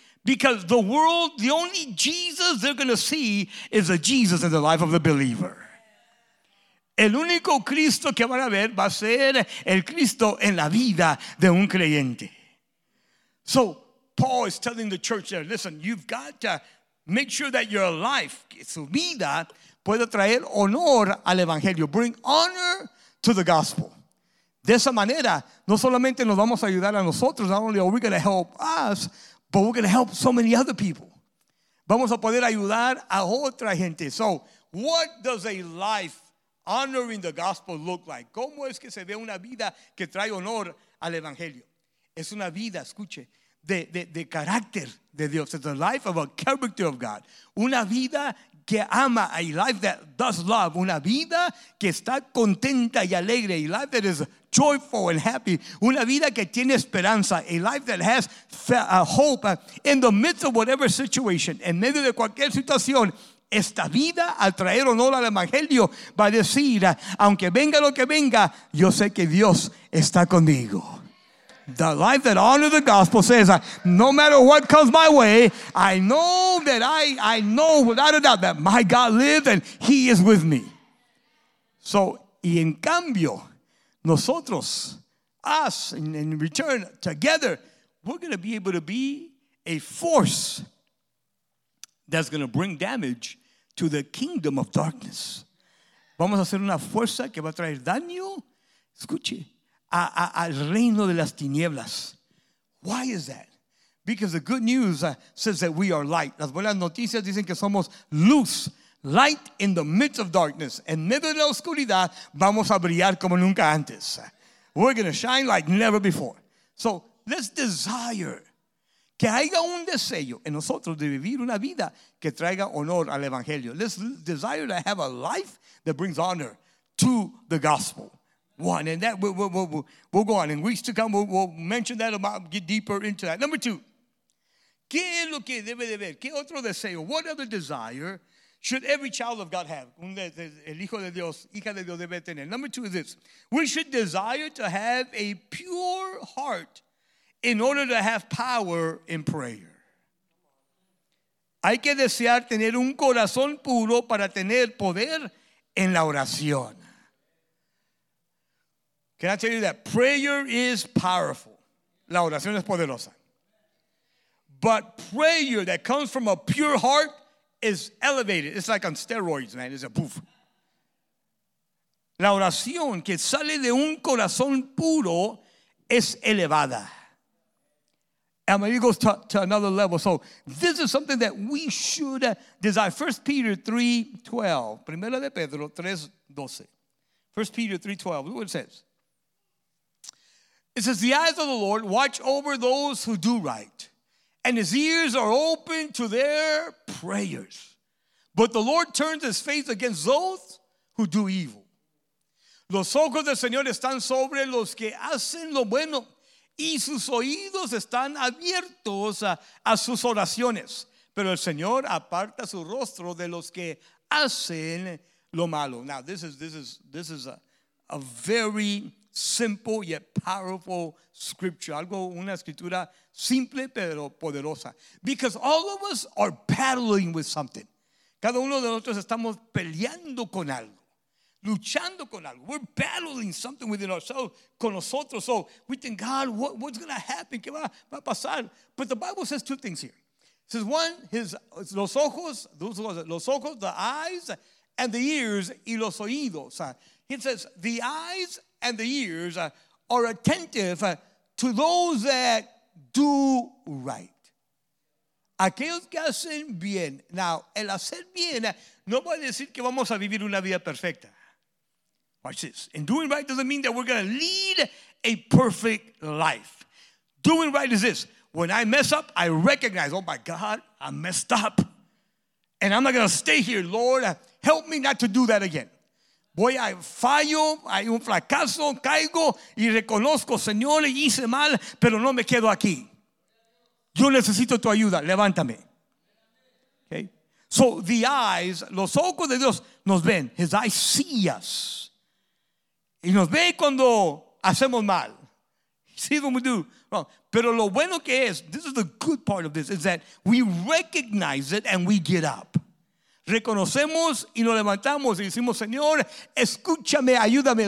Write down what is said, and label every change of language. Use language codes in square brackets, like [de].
[en] Because the world, the only Jesus they're going to see is a Jesus in the life of the believer. [es] El único Cristo que van a ver va a ser el Cristo en la vida de un creyente. [en] So, Paul is telling the church there, listen, you've got to make sure that your life, [es] su vida, puede traer honor al evangelio. [en] Bring honor to the gospel. [es] De esa manera, no solamente nos vamos a ayudar a nosotros, [en] not only are we going to help us, but we're going to help so many other people. [es] Vamos a poder ayudar a otra gente. [en] So, what does a life honoring the gospel look like? [es] ¿Cómo es que se ve una vida que trae honor al evangelio? Es una vida, escuche, de carácter de Dios. [en] It's a life of a character of God. [es] Una vida que ama, [en] a life that does love. [es] Una vida que está contenta y alegre. [en] A life that is joyful and happy. [es] Una vida que tiene esperanza. [en] A life that has hope in the midst of whatever situation. [es] En medio de cualquier situación. Esta vida al traer honor al evangelio va a decir, aunque venga lo que venga, yo sé que Dios está conmigo. [en] The life that honors the gospel says, no matter what comes my way, I know without a doubt that my God lives and he is with me. So, [es] y en cambio, nosotros, [en] us, in return, together, we're going to be able to be a force that's going to bring damage to the kingdom of darkness. [es] Vamos a hacer una fuerza que va a traer daño, escuche, al reino de las tinieblas. [en] Why is that? Because the good news says that we are light. [es] Las buenas noticias dicen que somos luz, [en] light in the midst of darkness. [es] En medio de la oscuridad, vamos a brillar como nunca antes. [en] We're going to shine like never before. So let's desire [es] que haya un deseo en nosotros de vivir una vida que traiga honor al evangelio. [en] Let's desire to have a life that brings honor to the gospel. One, and that we'll go on. In weeks to come, we'll mention that, about get deeper into that. Number two, [es] ¿qué es lo que debe de ver? ¿Qué otro deseo? [en] What other desire should every child of God have? [es] El hijo de Dios, hija de Dios debe tener. [en] Number two is this. We should desire to have a pure heart in order to have power in prayer. [es] Hay que desear tener un corazón puro para tener poder en la oración. [en] Can I tell you that prayer is powerful? [es] La oración es poderosa. [en] But prayer that comes from a pure heart is elevated. It's like on steroids, man. It's a poof. [es] La oración que sale de un corazón puro es elevada. [en] And it goes to another level. So this is something that we should desire. 1 Peter 3:12. [es] Primera de Pedro 3:12. [en] 1 Peter 3:12. Look what it says. It says, the eyes of the Lord watch over those who do right, and his ears are open to their prayers. But the Lord turns his face against those who do evil. [es] Los ojos del Señor están sobre los que hacen lo bueno, y sus oídos están abiertos a sus oraciones. Pero el Señor aparta su rostro de los que hacen lo malo. [en] Now, this is a very simple yet powerful scripture. [es] Algo, una escritura simple pero poderosa. [en] Because all of us are battling with something. [es] Cada uno de nosotros estamos peleando con algo, luchando con algo. [en] We're battling something within ourselves, [es] con nosotros. [en] So we think, God, what's going to happen? [es] ¿Qué va a pasar? [en] But the Bible says two things here. It says one, [es] los ojos, [en] the eyes, and the ears, [es] y los oídos. [en] It says the eyes and the ears are attentive to those that do right. [es] Aquellos que hacen bien. Now, el hacer bien no va a decir que vamos a vivir una vida perfecta. [en] Watch this. And doing right doesn't mean that we're going to lead a perfect life. Doing right is this. When I mess up, I recognize, oh my God, I messed up. And I'm not going to stay here. Lord, help me not to do that again. [es] Voy a fallo, hay un fracaso, caigo y reconozco, Señor, hice mal, pero no me quedo aquí. Yo necesito tu ayuda. Levántame. Okay. [en] So the eyes, [es] los ojos de Dios nos ven. [en] His eyes see us. [es] Y nos ve cuando hacemos mal. [en] See what we do wrong. [es] Pero lo bueno que es, [en] this is the good part of this, is that we recognize it and we get up. [es] Reconocemos y nos levantamos y decimos, Señor, escúchame, ayúdame.